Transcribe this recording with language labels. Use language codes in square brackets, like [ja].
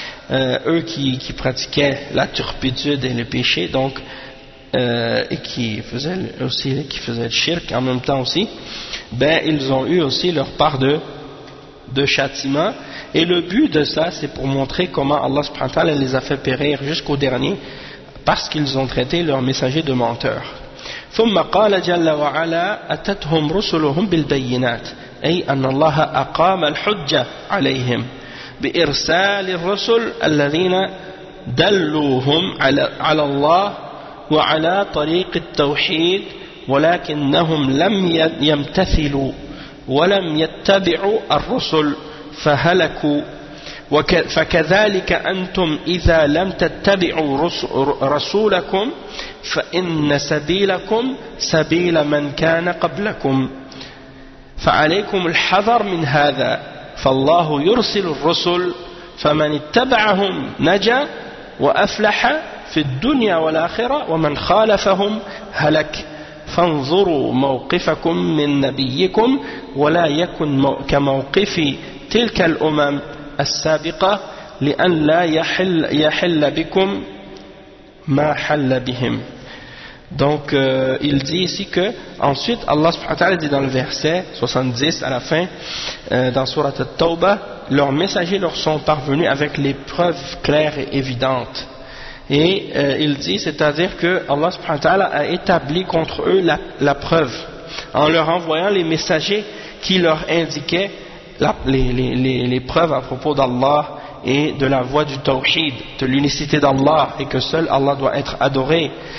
[fr] Eux qui pratiquaient la turpitude et le péché, donc, et qui faisaient aussi, qui faisaient le shirk en même temps aussi, ben, ils ont eu aussi leur part de châtiment. Et le but de ça, c'est pour montrer comment Allah subhanahu wa ta'ala les a fait périr jusqu'au dernier, parce qu'ils ont traité leur messager de menteur. [ar] ثم قال جل وعلا أتتهم رسلهم بالبينات أي أن الله أقام الحجة عليهم بإرسال الرسل الذين دلوهم على الله وعلى طريق التوحيد ولكنهم لم يمتثلوا ولم يتبعوا الرسل فهلكوا فكذلك أنتم إذا لم تتبعوا رسولكم فإن سبيلكم سبيل من كان قبلكم فعليكم الحذر من هذا فالله يرسل الرسل فمن اتبعهم نجا وأفلح في الدنيا والآخرة ومن خالفهم هلك فانظروا موقفكم من نبيكم ولا يكن كموقف تلك الأمم السابقة لأن لا يحل بكم ما حل بهم. [fr] Donc il dit ici que ensuite Allah subhanahu wa ta'ala dit dans le verset 70 à la fin dans sourate At-Tawba, leurs messagers leur sont parvenus avec les preuves claires et évidentes. Et il dit, c'est-à-dire que Allah subhanahu wa ta'ala a établi contre eux la preuve en leur envoyant les messagers qui leur indiquaient les preuves à propos d'Allah et de la voie du tawhid, de l'unicité d'Allah, et que seul Allah doit être adoré.